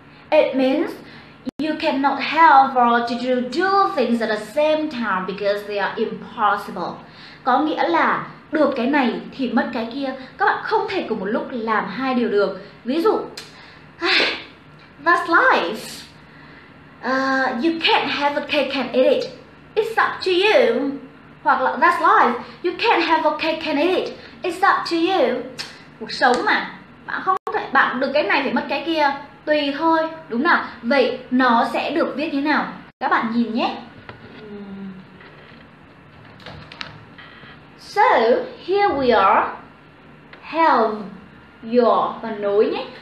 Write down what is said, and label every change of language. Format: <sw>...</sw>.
<en>It means you cannot help or to do two things at the same time because they are impossible.</en> <vi>Có nghĩa là được cái này thì mất cái kia. Các bạn không thể cùng một lúc làm hai điều được. Ví dụ,</vi> <en>that's life. You can't have a cake and eat it. It's up to you.</en> <vi>Hoặc là</vi> <en>that's life. You can't have a cake and eat it. It's up to you.</en> <vi>Cuộc sống mà, bạn không thể, bạn được cái này thì mất cái kia. Tùy thôi, đúng nào? Vậy nó sẽ được viết như thế nào? Các bạn nhìn nhé.</vi> <en>So, here we are. Have your</en> <vi>và nối nhé.</vi>